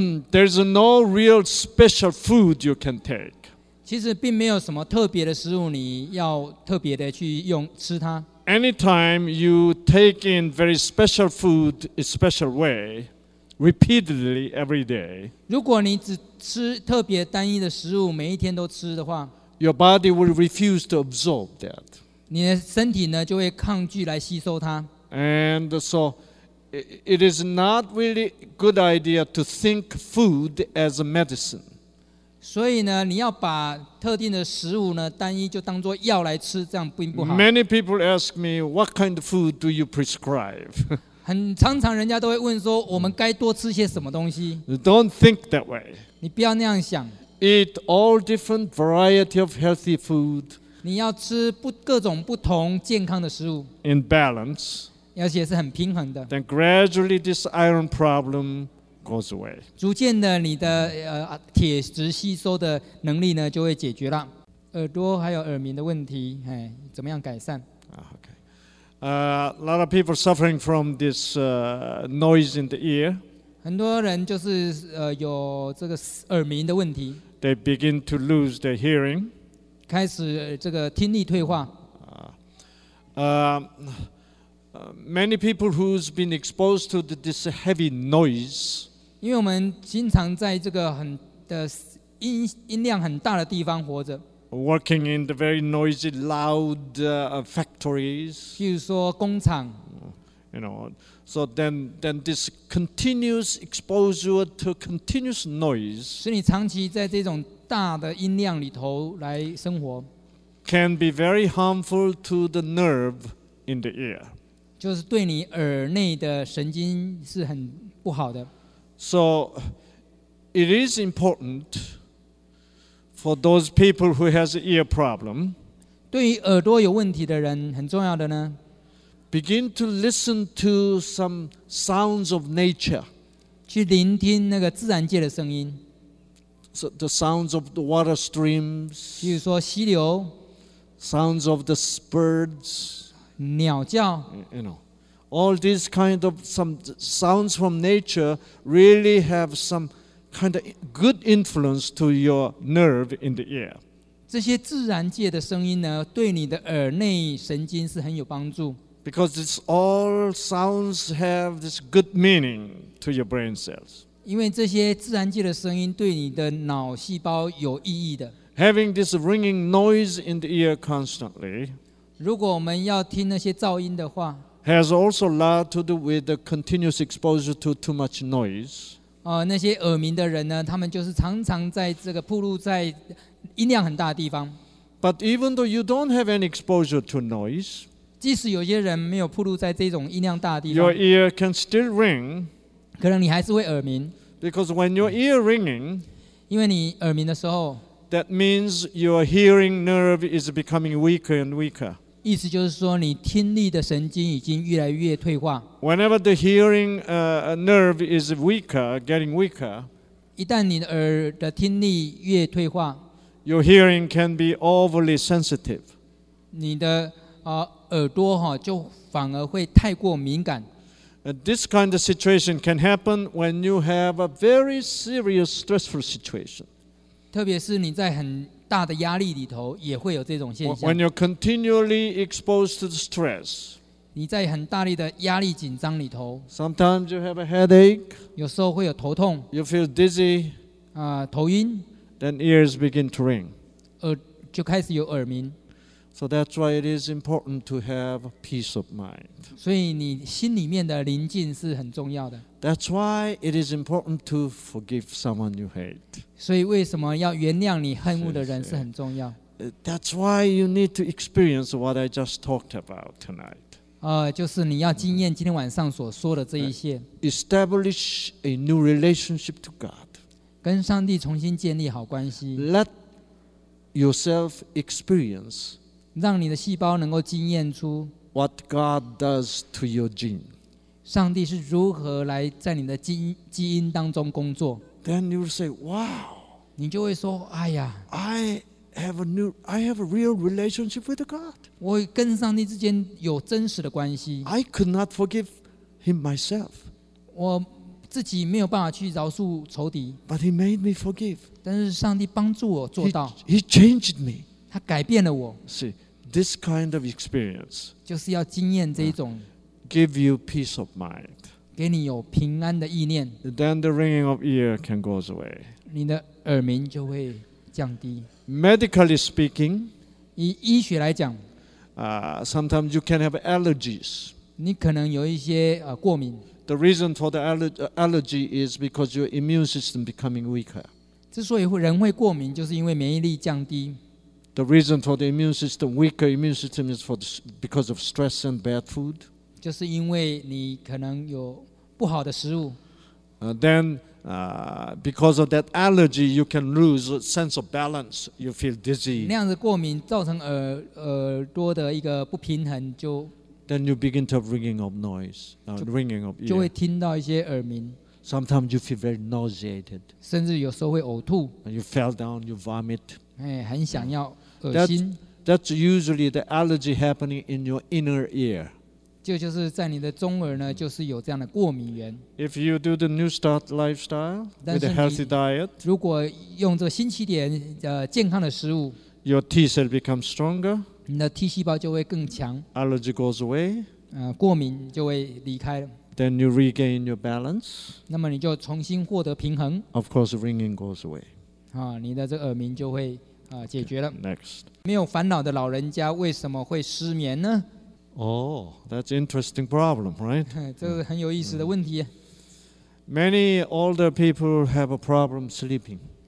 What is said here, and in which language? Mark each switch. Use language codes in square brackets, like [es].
[en] There's no real special food you can take. [zh] 其实并没有什么特别的食物你要特别的去用吃它。 [en] Anytime you take in very special food, a special way, repeatedly every day. [zh] 如果你只吃特别单一的食物，每一天都吃的话。 [en] Your body will refuse to absorb that. [zh] 你的身体呢就会抗拒来吸收它。 [en] And so, it is not really good idea to think food as a medicine. [zh] 所以呢，你要把特定的食物呢单一就当作药来吃，这样并不好。 [en] Many people ask me, what kind of food do you prescribe? [zh] 很常常人家都会问说，我们该多吃些什么东西？ [en] Don't think that way. [zh] 你不要那样想。 [en] Eat all different variety of healthy food. [zh] 你要吃各种不同健康的食物。 [en] In balance. [zh] 而且是很平衡的。 [en] Then gradually this iron problem goes away. [zh] 逐渐的，你的铁质吸收的能力呢就会解决了。耳朵还有耳鸣的问题，哎，怎么样改善？ [en] Okay. A lot of people suffering from this noise in the ear. [zh] 很多人就是有这个耳鸣的问题。 [en] They begin to lose their hearing. [zh] 开始这个听力退化。 [en] Many people who's been exposed to this heavy noise. [zh] 因为我们经常在这个很的音量很大的地方活着。 [en] Working in the very noisy, loud factories. [zh] 譬如说工厂。 [en] You know. So then this continuous exposure to continuous noise, [zh] 是你长期在这种大的音量里头来生活 [en] can be very harmful to the nerve in the ear. [zh] 就是对你耳内的神经是很不好的。 [en] So it is important for those people who has ear problem. [zh] 对于耳朵有问题的人，很重要的呢。 [en] Begin to listen to some sounds of nature. [zh] 去聆听那个自然界的声音。 [en] So the sounds of the water streams. [zh] 比如说溪流。 [en] Sounds of the birds. [zh] 鸟叫。 [en] You know, all these kind of some sounds from nature really have some kind of good influence to your nerve in the ear. [zh] 这些自然界的声音呢，对你的耳内神经是很有帮助。 [en] Because it's all sounds have this good meaning to your brain cells. [zh] 因为这些自然界的声音对你的脑细胞有意义的。 [en] Having this ringing noise in the ear constantly. [zh] 如果我们要听那些噪音的话。 [en] Has also a lot to do with the continuous exposure to too much noise. [zh] 那些耳鸣的人呢，他们就是常常在这个暴露在音量很大的地方。 [en] But even though you don't have any exposure to noise, [zh] 即使有些人没有暴露在这种音量大的地方 [en] ，your ear can still ring. [zh] 可能你还是会耳鸣。 [en] Because when your ear ringing, [zh] 因为你耳鸣的时候 [en] ，that means your hearing nerve is becoming weaker and weaker. [zh] 意思就是说你听力的神经已经越来越退化。 [en] Whenever the hearing nerve is weaker, getting weaker, [zh] 一旦你的耳的听力越退化。 [en] Your hearing can be overly sensitive. [zh] 你的耳朵哈就反而会太过敏感。 [en] This kind of situation can happen when you have a very serious stressful situation. [zh] 特别是你在很大的压力里头也会有这种现象。 [en] When you're continually exposed to stress. [zh] 你在很大力的压力紧张里头。 [en] Sometimes you have a headache. [zh] 有时候会有头痛。 [en] You feel dizzy. [zh] 头晕。 [en] Then ears begin to ring. [zh] 就开始有耳鸣。 [en] So that's why it is important to have peace of mind. [zh] 所以你心里面的宁静是很重要的。 [en] That's why it is important to forgive someone you hate. [zh] 所以为什么要原谅你恨恶的人是很重要。 [en] That's why you need to experience what I just talked about tonight. [zh] 就是你要经验今天晚上所说的这一些。 [en] Establish a new relationship to God. [zh] 跟上帝重新建立好关系。 [en] Let yourself experience. [zh] 让你的细胞能够经验出 [en] what God does to your gene. [zh] 上帝是如何来在你的基因当中工作。 [en] Then you say, "Wow." [zh] 你就会说，哎呀 [en] I have a real relationship with God. [zh] 我跟上帝之间有真实的关系。 [en] I could not forgive him myself. [zh] 我自己没有办法去饶恕仇敌 [en] ，But he made me forgive. [zh] 但是上帝帮助我做到。 [en] He changed me. [zh] 他改变了我。 [en] See, this kind of experience [zh] 就是要经验这一种。 [en] Give you peace of mind. [zh] 给你有平安的意念。 [en] Then the ringing of ear can go away. [zh] 你的耳鸣就会降低。 [en] Medically speaking, [zh] 以医学来讲 [en] ，sometimes you can have allergies. [zh] 你可能有一些过敏。 [en] The reason for the allergy is because your immune system becoming weaker. [zh] 之所以人会过敏，就是因为免疫力降低。 [en] The reason for the immune system weaker immune system is for because of stress and bad food. [zh] 就是因为你可能有不好的食物。 [en] Then because of that allergy, you can lose a sense of balance. You feel dizzy. [zh] 那样子过敏造成耳朵的一个不平衡就。 [en] Then you begin to have ringing of noise, ringing of ear. [zh] 就会听到一些耳鸣。 [en] Sometimes you feel very nauseated. [zh] 甚至有时候会呕吐。 [en] And you fell down, you vomit. [zh] 很想要恶心。 [en] That's usually the allergy happening in your inner ear. [zh] 就是在你的中耳呢，就是有这样的过敏源。 [en] If you do the New Start lifestyle with a healthy diet, [zh] 如果用这个新起点健康的食物 [en] ，your T cell become stronger. [zh] 你的 T 细胞就会更强。 [en] Allergy goes away. [zh] 过敏就会离开了。 [en] Then you regain your balance. [zh] 那么你就重新获得平衡。 [en] Of course, ringing goes away. [zh] 你的这耳鸣就会解决了。 [en] Next. [zh] 没有烦恼的老人家为什么会失眠呢？ [en] Oh, that's an interesting problem, right? [zh] 这是很有意思的问题。 [en] Many older people have a problem sleeping.